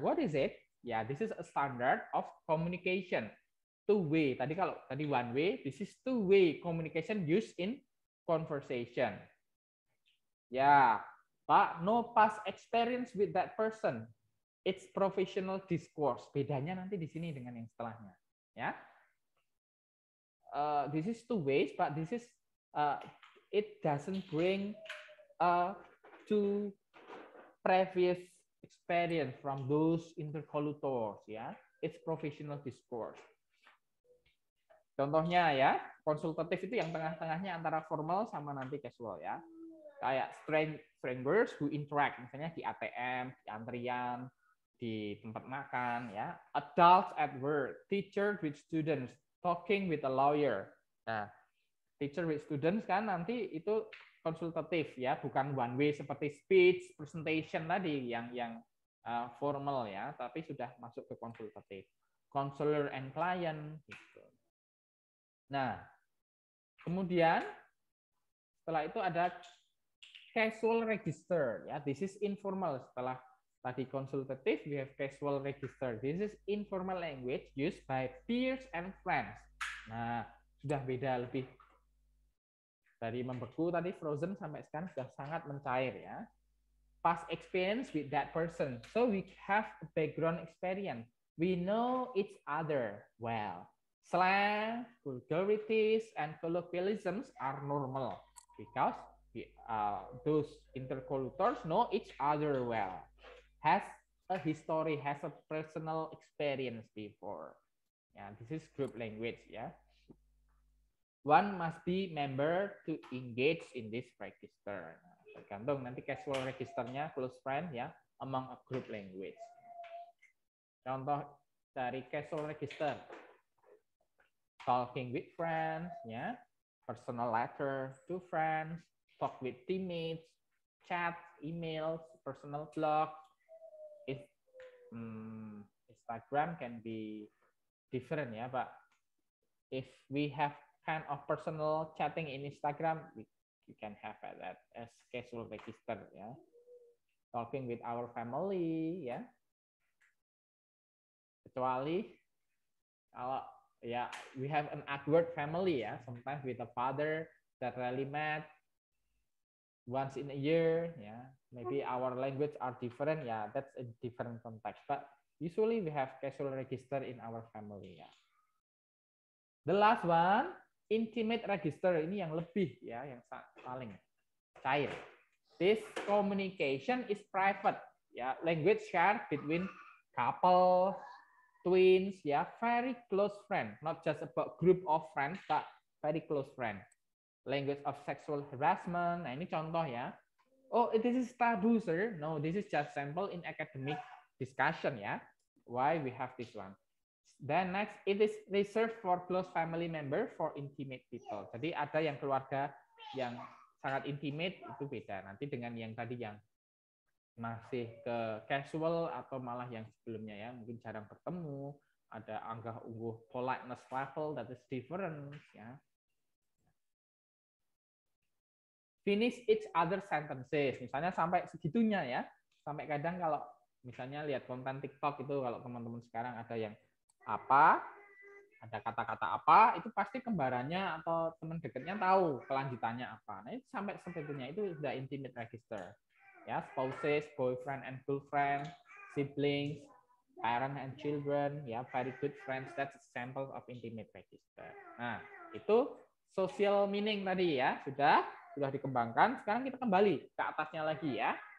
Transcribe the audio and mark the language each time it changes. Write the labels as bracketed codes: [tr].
[en] What is it? Yeah, this is a standard of communication. Two way. [id] Tadi kalau tadi [en] one way, this is two way communication used in conversation. Yeah, but no past experience with that person. It's professional discourse. [id] Bedanya nanti di sini dengan yang setelahnya. Yeah. [en] This is two ways, but this is it doesn't bring to previous experience from those interlocutors, ya. [id] Yeah? [en] It's professional discourse. [id] Contohnya ya, konsultatif itu yang tengah-tengahnya antara formal sama nanti casual ya. Kayak [en] strangers who interact, [id] misalnya di ATM, di antrian, di tempat makan, ya. Yeah? [en] Adults at work, teacher with students, talking with a lawyer. [id] Nah, [en] teacher with students [id] kan nanti itu konsultatif ya, bukan one way seperti speech, presentation tadi yang formal ya, tapi sudah masuk ke konsultatif. [en] Counselor and client gitu. [id] Nah, kemudian setelah itu ada casual register ya. [en] This is informal. [id] Setelah tadi konsultatif, [en] we have casual register. This is informal language used by peers and friends. [id] Nah, sudah beda lebih dari membeku tadi, frozen sampai sekarang sudah sangat mencair ya. [en] past experience with that person. So we have background experience. We know each other well. Slang, vulgarities, and colloquialisms are normal because those interlocutors know each other well, has a history, has a personal experience before. Yeah, this is group language, yeah. One must be member to engage in this register. [id] Tergantung nanti casual registernya, [en] close friend, ya, among a group language. [id] Contoh dari casual register. [en] Talking with friends, ya, personal letter to friends, talk with teammates, chat, emails, personal blog. If Instagram can be different, ya, but if we have kind of personal chatting in Instagram, we can have that as casual register, ya. Talking with our family, ya. [id] Kecuali kalau ya, [en] we have an awkward family, ya. Sometimes with a father that rarely met once in a year, ya. Maybe our language are different, ya. That's a different context. But usually we have casual register in our family, ya. The last one, intimate register. [id] Ini yang lebih, ya, yang paling cair. [en] This communication is private, ya. Language shared between couples, twins, ya, very close friend, not just about group of friends, but very close friend. Language of sexual harassment, [id] nah ini contoh, [en] ya. Oh, this is taboo, sir. No, this is just sample in academic discussion, ya. Why we have this one. Then next, it is reserved for close family member, for intimate people. [id] Jadi ada yang keluarga yang sangat intimate, itu beda nanti dengan yang tadi yang masih ke casual atau malah yang sebelumnya, ya, mungkin jarang bertemu, ada anggah ungguh [en] politeness level that is different, [id] ya. [en] Finish each other sentences, [id] misalnya sampai segitunya, ya, sampai kadang kalau misalnya lihat konten TikTok itu, kalau teman-teman sekarang ada yang apa, ada kata-kata apa, itu pasti kembarannya atau teman dekatnya tahu kelanjutannya apa. Nah, itu sampai segitunya itu sudah intimate register. [en] Ya, spouses, boyfriend and girlfriend, siblings, parents and children, ya, very good friends, that's examples of intimate register. [id] Nah, itu social meaning tadi, ya, sudah dikembangkan. Sekarang kita kembali ke atasnya lagi, ya.